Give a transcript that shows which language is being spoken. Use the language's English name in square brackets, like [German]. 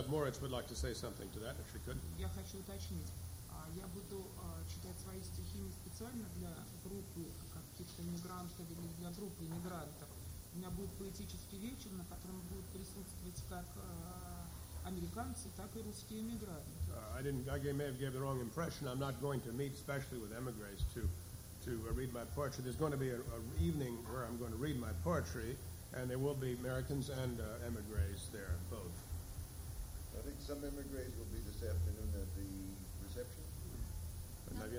[English] Moritz would like to say something to that, if she could. [Russian] Я хочу уточнить. Я буду читать свои стихи не специально для группы каких-то иммигрантов или для группы иммигрантов. У меня будет поэтический вечер, на котором будут присутствовать как американцы, так и русские иммигранты. [English] I may have given the wrong impression. I'm not going to meet specially with emigres to read my poetry. There's going to be an evening where I'm going to read my poetry, and there will be Americans and emigres there, both. I think some emigres will be this afternoon at the reception.